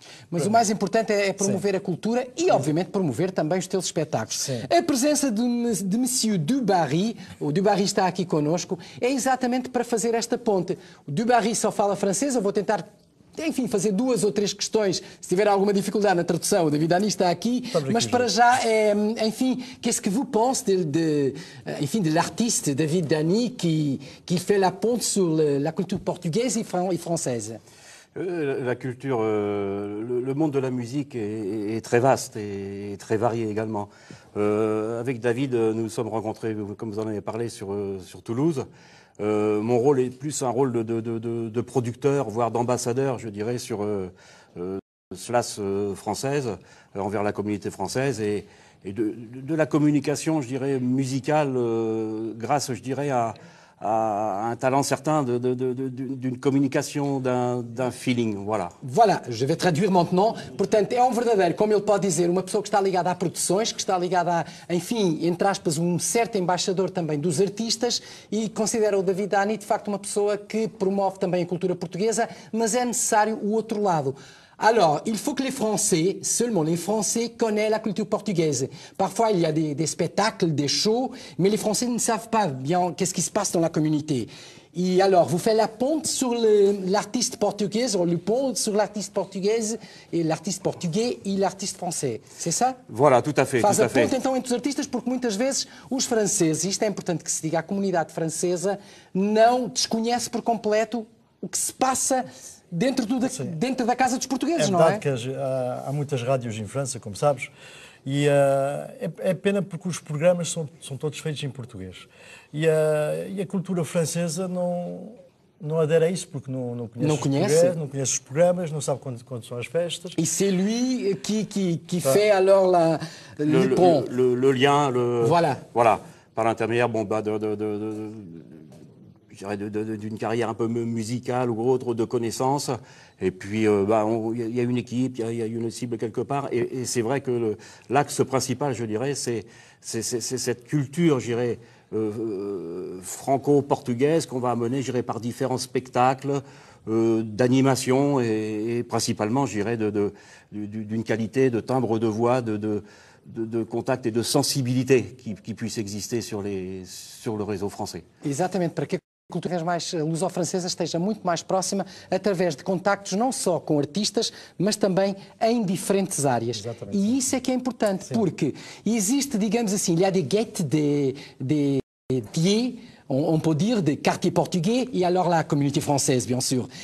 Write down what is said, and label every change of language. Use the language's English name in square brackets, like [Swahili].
[Portuguese] Mas o mais importante é promover a cultura e, obviamente, promover também os teus espetáculos. Sim. A presença de Monsieur Dubarry, o Dubarry está aqui connosco, é exatamente para fazer esta ponte. O Dubarry só fala francês, eu vou tentar... Enfim, fazer duas ou três questões. Se tiver alguma dificuldade na tradução, o David Dani está aqui. Mas para já, enfim, [French] qu'est-ce que vous pensez de l'artiste David Dani qui fait la ponte sur la culture portugaise et française? La culture, le monde de la musique est très vaste et très varié également. Avec David, nous sommes rencontrés, comme vous en avez parlé, sur Toulouse. Mon rôle est plus un rôle de producteur, voire d'ambassadeur, je dirais, sur SLAS française, envers la communauté française, et de la communication, je dirais, musicale, grâce, je dirais, à un talent certain d'une communication, d'un feeling, voilà. Voilà, je vais traduire maintenant. [Portuguese] Portanto, é verdadeiro, como ele pode dizer, uma pessoa que está ligada a produções, que está ligada a, enfim, entre aspas, certo embaixador também dos artistas, e considera o David Dani, de facto, uma pessoa que promove também a cultura portuguesa, mas é necessário o outro lado. [French] Alors, il faut que les Français, seulement les Français, connaissent la culture portugaise. Parfois, il y a des spectacles, des shows, mais les Français ne savent pas bien qu'est-ce qui se passe dans la communauté. Et alors, vous faites la ponte sur l'artiste portugais, ou le pont sur l'artiste portugaise, et l'artiste portugais et l'artiste français, c'est ça? Voilà, tout à fait. [Portuguese] Faz a ponte então entre os artistas, porque muitas vezes os franceses, isto é importante que se diga, a comunidade francesa não desconhece por completo o que se passa dentro da casa dos portugueses, não é? É verdade que há muitas rádios em França, como sabes, e é pena porque os programas são todos feitos em português. E a cultura francesa não adere a isso, porque não conhece os programas, não sabe quando são as festas. [French] E c'est lui qui fait alors le pont. Le lien, le... Voilà. Voilà. Par l'intermédiaire, bon, bah, je dirais d'une carrière un peu musicale ou autre, de connaissances. Et puis, y a une équipe, il y a une cible quelque part. Et c'est vrai que l'axe principal, je dirais, c'est cette culture, je dirais, franco-portugaise qu'on va amener, je dirais, par différents spectacles d'animation et principalement, je dirais, d'une qualité de timbre de voix, de contact et de sensibilité qui puisse exister sur le réseau français. Exactement. [Portuguese] A cultura mais luso-francesa esteja muito mais próxima através de contactos não só com artistas, mas também em diferentes áreas. Exatamente. E isso é que é importante, porque existe, digamos assim, [French] il y a des guettes de on peut dire, de quartier portugais, e alors la communauté française, bien sûr.